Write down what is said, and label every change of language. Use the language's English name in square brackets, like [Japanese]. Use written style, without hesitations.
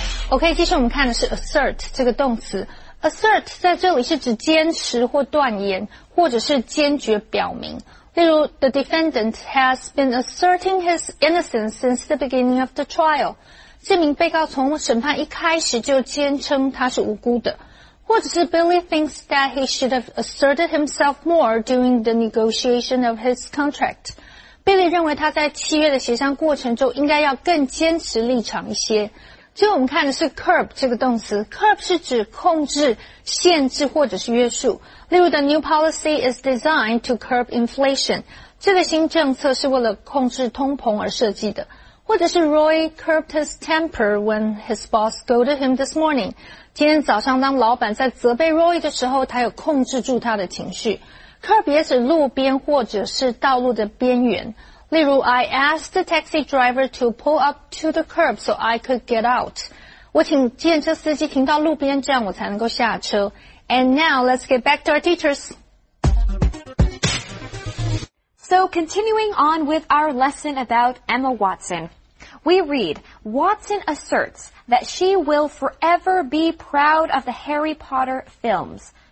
[Chinese] OK, 接下来我们看的是 assert 这个动词。assert 在这里是指坚持或断言，或者是坚决表明。例如 [English] ,the defendant has been asserting his innocence since the beginning of the trial. [Chinese] 这名被告从审判一开始就坚称他是无辜的。或者是 [English] Billy thinks that he should have asserted himself more during the negotiation of his contract. [Chinese] Billy 认为他在契约的协商过程中应该要更坚持立场一些。最后我们看的是 curb 这个动词 curb 是指控制、限制或者是约束例如 [English] the new policy is designed to curb inflation [Chinese] 这个新政策是为了控制通膨而设计的或者是 [English] Roy curbed his temper when his boss scolded him this morning [Chinese] 今天早上当老板在责备 Roy 的时候他有控制住他的情绪 [English] curb [Chinese] 也指路边或者是道路的边缘例如 [English] I asked the taxi driver to pull up to the curb so I could get out. [Chinese] 我请计程车司机停到路边这样我才能够下车。 [English] And now let's get back to our teachers. So continuing on with our lesson about Emma Watson. We read, Watson asserts that she will forever be proud of the Harry Potter films.